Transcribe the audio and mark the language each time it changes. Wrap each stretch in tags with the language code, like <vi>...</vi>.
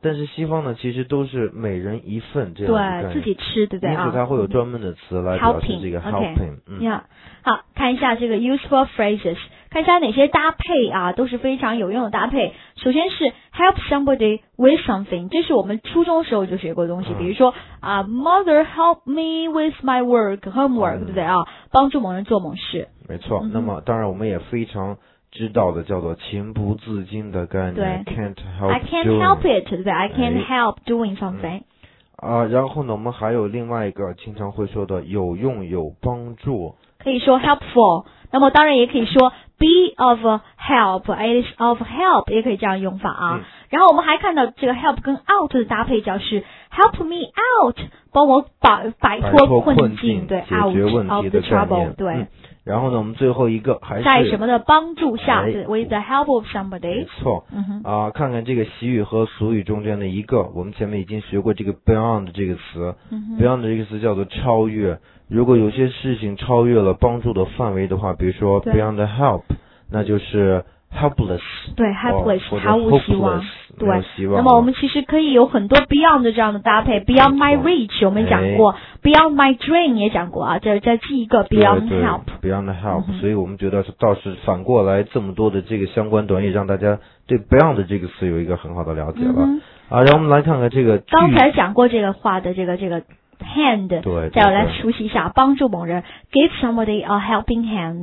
<zh>但是西方呢，其实都是每人一份这样的概念。对，自己吃，对不对？因此，它会有专门的词来表示这个</zh> <en>helping、嗯。 Okay. Yeah.</en> <zh>好，看一下这个 useful phrases， 看一下哪些搭配啊，都是非常有用的搭配。首先是 help somebody with something， 这是我们初中时候就学过的东西。嗯、比如说啊</zh> <en>，mother help me with my homework，、嗯、</en> <zh>对不对啊？帮助某人做某事，没错、嗯。那么当然我们也非常知道的叫做情不自禁的概念 ，can't help，</zh> <en>I can't help it，</en> <zh>对</zh> <en>，I can't help doing something、哎嗯。</en> <zh>啊，然后呢，我们还有另外一个经常会说的有用有帮助，可以说 helpful。那么当然也可以说</zh> <en>be of help， it is of help，</en> <zh>也可以这样用法啊、嗯。然后我们还看到这个 help 跟 out 的搭配，叫是</zh> <en>help me out。</en> <zh>帮我摆脱困境，对，解决问题的概念，对、嗯。然后呢，我们最后一个还是在什么的帮助下、哎、</zh> <en>，with the help of somebody，</en> <zh>没错。嗯哼，啊，看看这个习语和俗语中间的一个，我们前面已经学过这个 beyond 这个词、嗯、，beyond 这个词叫做超越。如果有些事情超越了帮助的范围的话，比如说 beyond help， 那就是。</zh> <en>Helpless，</en> <zh>对 ，helpless， 毫无希望，</zh> <en>hopeless，</en> <zh>对希望。那么我们其实可以有很多 beyond 的这样的搭配 ，</zh> <en>beyond my reach，</en> <zh>我们讲过、哎、，</zh> <en>beyond my dream</en> <zh>也讲过啊，再记一个 beyond help，beyond</zh> <en>help、嗯。</en> <zh>所以我们觉得倒是反过来这么多的这个相关短语，让大家对 beyond 这个词有一个很好的了解了、嗯、啊。让我们来看看这个，刚才讲过这个话的这个。</zh> <en>Hand，</en> <zh>对对对，再来熟悉一下，帮助某人 ，</zh> <en>give somebody a helping hand，</en>